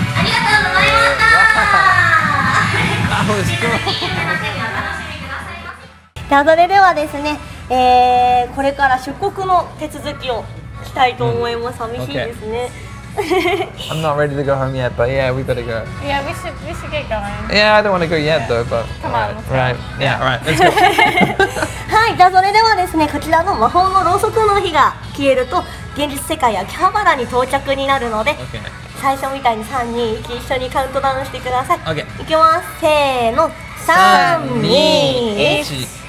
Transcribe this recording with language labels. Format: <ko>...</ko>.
<ja>ありがとうございました。ぜひ夢の手にお楽しみくださいませ。それではですね、これから出国の手続きをしたいと思います。寂しいですね。</ja> <en>I'm not ready to go home yet, but yeah, we better go. Yeah, we should get going. Yeah, I don't want to go yet, though, but... Come on. Right. Yeah, alright, let's go.</en> <ja>はい、じゃあそれではですね、こちらの魔法のろうそくの火が消えると、現実世界秋葉原に到着になるので、</ja> <en>okay.</en> <ja>最初みたいに3、2、1、一緒にカウントダウンしてください。</ja> <en>Okay.</en> <ja>いきます。せーの。 3、2、1。</ja>